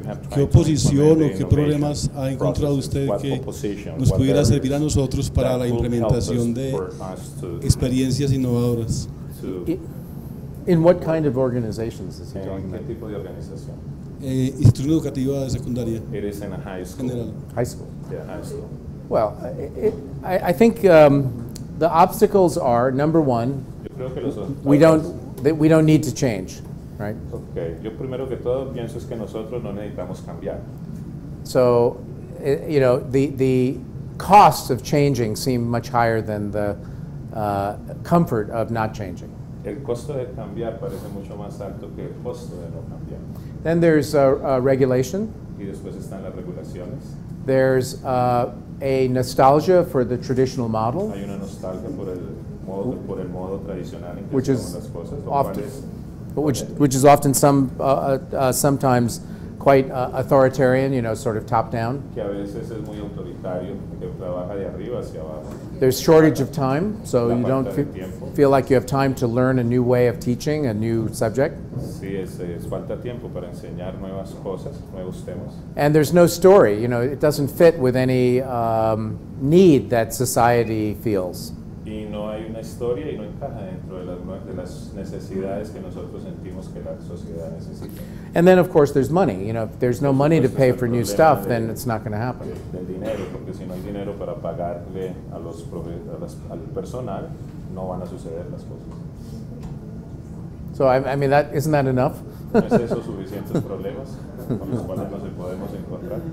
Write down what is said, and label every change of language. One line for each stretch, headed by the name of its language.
Spanish: ¿Qué oposición o qué problemas ha encontrado usted que nos pudiera servir a nosotros para la implementación de experiencias innovadoras?
English: In what kind of organizations is he talking about?
Spanish: ¿Qué tipo de organización? Instituto educativo de secundaria.
English: It is in a high school. General. High school. Yeah, high school. Well, I think the obstacles are, number one, we don't need to change. Right. Okay.
Spanish: Yo primero que todo pienso es que nosotros no necesitamos cambiar.
English: So, you know, the costs of changing seem much higher than the comfort of not changing.
Spanish: El costo de cambiar parece mucho más alto que el costo de no cambiar.
English: Then there's a regulation.
Spanish: Y después están las regulaciones.
English: There's a nostalgia for the traditional model.
Spanish: Hay una nostalgia por el modo tradicional en que
English: which
Spanish: se hacen las cosas.
English: Which is often sometimes quite authoritarian, you know, sort of top down.
Spanish: Que a veces es muy autoritario, que trabaja de arriba hacia abajo.
English: There's shortage of time, so you don't feel like you have time to learn a new way of teaching, a new subject.
Spanish: Sí, es falta tiempo para enseñar nuevas cosas, nuevos temas.
English: And there's no story, you know, it doesn't fit with any need that society feels. Y no hay una historia y no encaja dentro de las necesidades que nosotros sentimos que la sociedad necesita. And then, of course, there's money. You know, if there's no money to pay for new stuff, then it's not going to happen.
Spanish: Del dinero, porque si no hay dinero para pagarle al personal, no van a suceder las cosas.
English: So, I mean, that isn't that enough?
Spanish: ¿No es eso suficientes problemas con los cuales no se podemos encontrar?